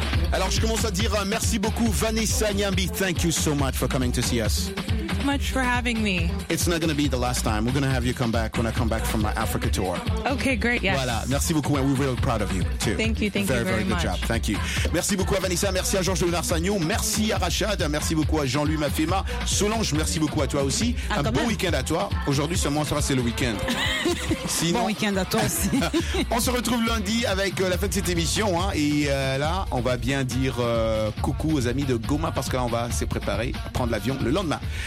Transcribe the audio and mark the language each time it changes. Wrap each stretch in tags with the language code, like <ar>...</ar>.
<fr>Alors, je commence à dire merci beaucoup, Vanessa Nyambi.</fr> <en>Thank you so much for coming to see us. Much for having me. It's not going to be the last time. We're going to have you come back when I come back from my Africa tour. Okay, great, yes.</en> <fr>Voilà, merci beaucoup,</fr> <en>and we're really proud of you, too. Thank you very much. Thank you.</en> <fr>Merci beaucoup à Vanessa, merci à Georges de Narsagno, merci à Rachad, merci beaucoup à Jean-Louis Mafema, Solange, merci beaucoup à toi aussi. À un bon week-end à toi. Aujourd'hui, seulement, ça va, c'est le week-end. Sinon, bon week-end à toi aussi. On se retrouve lundi avec la fin de cette émission, hein, et là, on va bien dire coucou aux amis de Goma, parce que là, on va se préparer à prendre l'avion le lendemain.</fr>